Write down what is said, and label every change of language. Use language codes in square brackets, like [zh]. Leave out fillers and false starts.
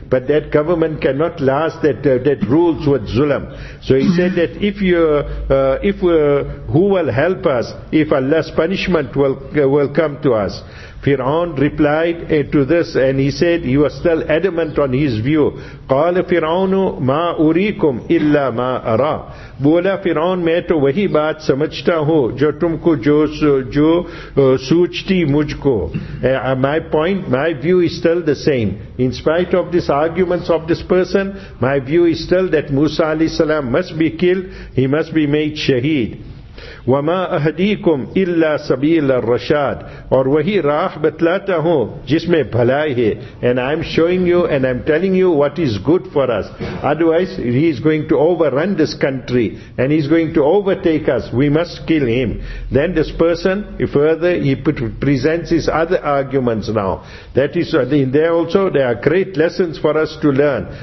[en] But that government cannot last that rules with zulm. So he said that who will help us if Allah's punishment will come to us? Fir'aun replied to this, and he said he was still adamant on his view. [ar] قَالَ فِرْعَوْنُ مَا أُرِيكُمْ إِلَّا مَا أَرَىٰ. [ur] بولا فرعون میں تو وہی بات سمجھتا ہوں جو تم کو جو سوچتی مجھ کو. [en] My point, my view is still the same. In spite of these arguments of this person, my view is still that Musa alayhi salam must be killed, he must be made shaheed. [ar] وَمَا أَهْدِيكُمْ إِلَّا سَبِيلَ الرَّشَادِ. [ur] اور وہی راہ بتلاتا ہوں جس میں بھلائی ہے. [en] And I'm showing you and I'm telling you what is good for us. Otherwise, he is going to overrun this country and he's going to overtake us. We must kill him. Then this person, further, he presents his other arguments now. That is, in there also, there are great lessons for us to learn.